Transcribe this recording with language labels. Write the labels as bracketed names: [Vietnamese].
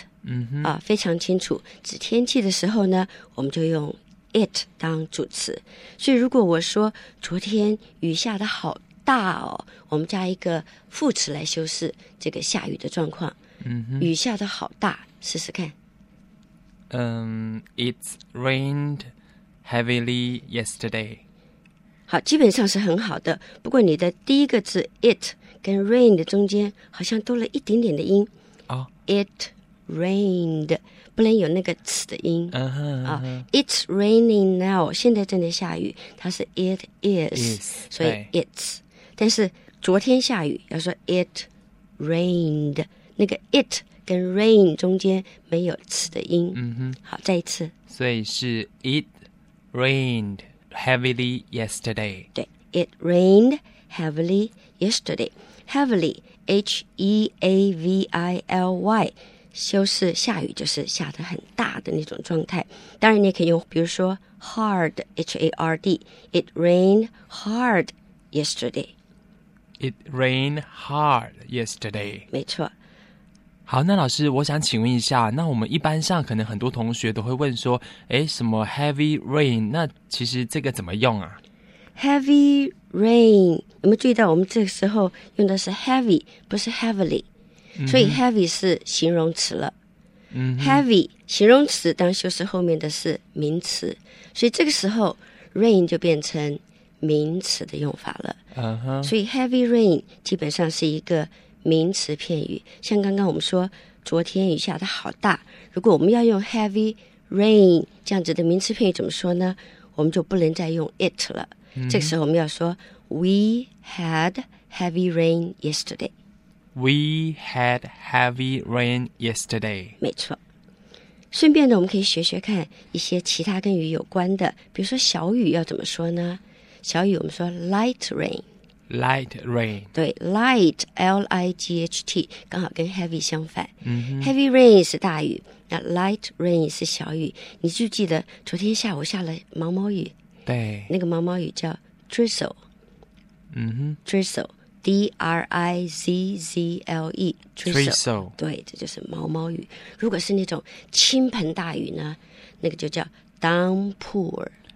[Chinese] mm-hmm. 啊、非常清楚指天气的时候呢我们就用 it 当主词所以如果我说昨天雨下得好大哦我们加一个副词来修饰这个下雨的状况、 mm-hmm. 雨下得好大试试看。 [English] It's rained heavily yesterday. [Chinese] 好，基本上是很好的。不过你的第一个字 it 跟 rain 的中间好像多了一点点的音。 Oh. [English] It rained [Chinese] 不能有那个词的音。 Uh-huh, uh-huh. [English] It's raining now. [Chinese] 现在正在下雨，它是 it is， 所以 it's。但是昨天下雨，要说 [English] it rained， [Chinese] 那个 it。跟 rain 中间没有词的音、嗯、哼好再一次所以是 [English] it rained heavily yesterday [Chinese] 对 [English] it rained heavily yesterday [Chinese] heavily h-e-a-v-i-l-y 修饰下雨就是下得很大的那种状态当然你也可以用比如说 hard h-a-r-d [English] it rained hard yesterday it rained hard yesterday [Chinese] 没错好那老师我想请问一下那我们一般上可能很多同学都会问说诶什么 heavy rain 那其实这个怎么用啊 heavy rain 有没有注意到我们这个时候用的是 heavy 不是 heavily、嗯、所以 heavy 是形容词了、嗯、 heavy 形容词当修饰后面的是名词所以这个时候 rain 就变成名词的用法了、嗯、所以 heavy rain 基本上是一个名词片语像刚刚我们说昨天雨下的好大如果我们要用 heavy rain 这样子的名词片语怎么说呢我们就不能再用 it 了、嗯、这个时候我们要说 [English] we had heavy rain yesterday we had heavy rain yesterday [Chinese] 没错顺便呢我们可以学学看一些其他跟雨有关的比如说小雨要怎么说呢小雨我们说 light rain [English] Light rain [Chinese] 对 light L-I-G-H-T 刚好跟 heavy 相反、嗯、哼 heavy rain 是大雨那 light rain 是小雨你就记得昨天下午下了毛毛雨对那个毛毛雨叫 drizzle、嗯、哼 [English] drizzle D-R-I-Z-Z-L-E drizzle [Chinese] 对这就是毛毛雨如果是那种倾盆大雨呢那个就叫 downpour